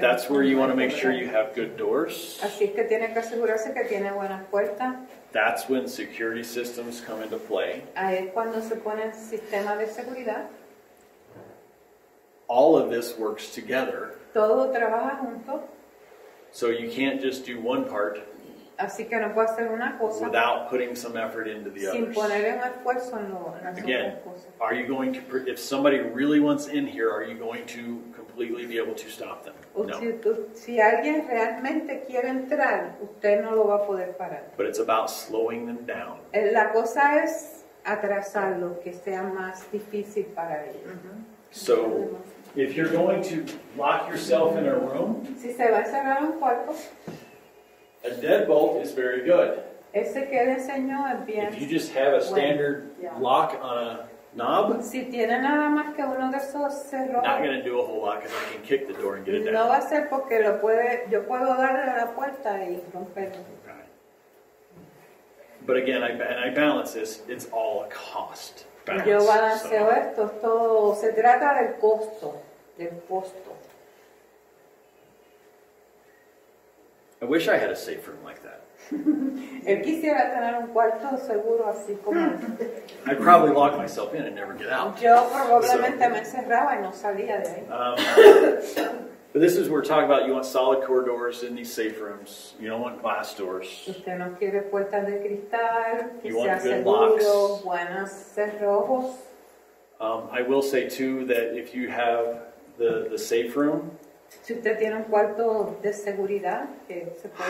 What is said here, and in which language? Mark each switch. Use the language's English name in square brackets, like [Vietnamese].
[English] that's where you want to make sure you have good doors. [Spanish] Así es que tiene que asegurarse que tiene buenas puertas. [English] That's when security systems come into play. [Spanish] Ahí es cuando se pone el sistema de seguridad. [English] All of this works together. [Spanish] Todo trabaja junto. [English] So you can't just do one part. [Spanish] Así que no puedo hacer una cosa [English] without putting some effort into the [Spanish] sin [English] others. [Spanish] Poner un esfuerzo en las [English] again, [Spanish] cosas. [English] Are you going to, if somebody really wants in here, are you going to completely be able to stop them? No. But it's about slowing them down. [Spanish] La cosa es atrasarlo, que sea más difícil para ellos. Mm-hmm. [English] So, if you're going to lock yourself in a room, [Spanish] si se va a cerrar un cuarto, [English] a deadbolt is very good. [Spanish] Ese que le enseñó es bien. [English] If you just have a standard lock on a knob, [Spanish] si tiene nada más que uno de esos cerrojos, [English] not going to do a whole lot because I can kick the door and get it down. [Spanish] No va a ser porque lo puede, yo puedo darle a la puerta y romperlo. [English] But again, I balance this. It's all a cost. Balance, [Spanish] yo balanceo so. Esto. Todo se trata del costo. Del costo. [English] I wish I had a safe room like that. [Spanish] Él quisiera tener un cuarto seguro así como. [English] I'd probably lock myself in and never get out. [Spanish] Yo probablemente me encerraba y no salía de ahí. [English] But this is where we're talking about. You want solid core doors in these safe rooms. You don't want glass doors. [Spanish] Usted no quiere puertas de cristal. [English] You want good [Spanish] seguro, [English] locks. [Spanish] Buenos cerrojos. [English] I will say too that if you have the safe room. [Spanish] Si usted tiene un cuarto de seguridad que se puede